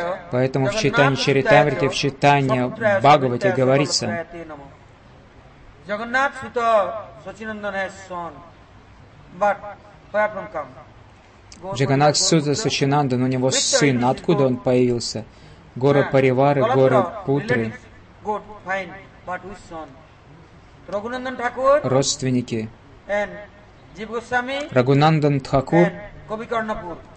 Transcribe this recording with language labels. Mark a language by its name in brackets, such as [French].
[Russian] Поэтому в Чайтанье Чаритамрите, в Чайтанье Бхагавате говорится, [English] Jagannath Sutta Sachinandan has son, but where from come? [Russian] Jagannath Sutta Sachinandan, у него сын, откуда он появился? Гора Паривары, Гора Путры. [English] Good, fine, but whose son? Raghunandan Thakur. [Russian] Родственники. [English] And Jiva Goswami. Raghunandan Thakur. And Kavi Karnapur.